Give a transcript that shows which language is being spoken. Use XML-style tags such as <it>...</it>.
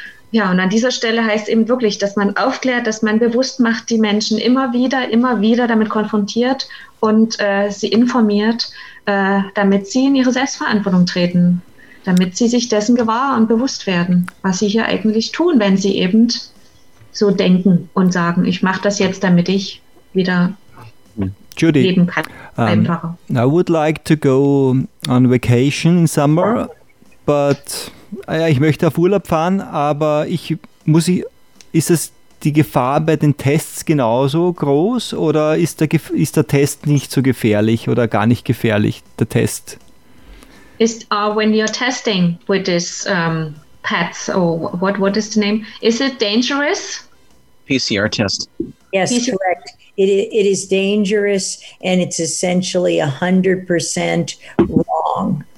<de>Ja, und an dieser Stelle heißt eben wirklich, dass man aufklärt, dass man bewusst macht, die Menschen immer wieder damit konfrontiert und sie informiert, damit sie in ihre Selbstverantwortung treten, damit sie sich dessen gewahr und bewusst werden, was sie hier eigentlich tun, wenn sie eben so denken und sagen, ich mache das jetzt, damit ich wieder Judy, leben kann. Einfacher.</de> <en>I would like to go on vacation in summer, but...</en> <de>Ja, ich möchte auf Urlaub fahren, aber ist es die Gefahr bei den Tests genauso groß oder ist der Test nicht so gefährlich oder gar nicht gefährlich, der Test?</de> <en>When you're testing with this PETS or what is the name? Is it dangerous? PCR test. Yes, correct. It is dangerous and it's essentially 100% wrong.</en>